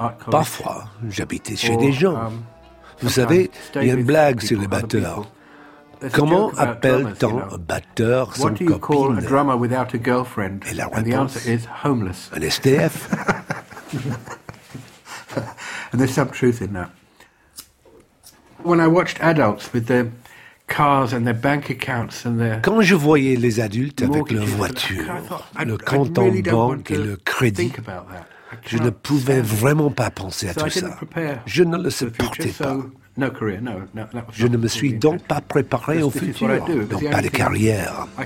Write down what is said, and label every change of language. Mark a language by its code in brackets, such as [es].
[fr] Parfois, j'habitais chez des gens. Vous savez, il y a une blague sur les batteurs. Comment appelle-t-on un batteur sans copine? [en] What do you call a drummer without a girlfriend? [fr] Et la réponse? [en] And the answer is homeless. [fr] Un STF. [en] And there's some truth in that. When I watched adults with their cars and their bank accounts and their [fr] quand je voyais les adultes avec leur voiture, le compte en banque et le crédit, je ne pouvais vraiment pas penser à tout ça. Je ne le supportais pas. [en] No career, no, [fr] je ne me suis donc pas préparé au futur, donc pas de carrière.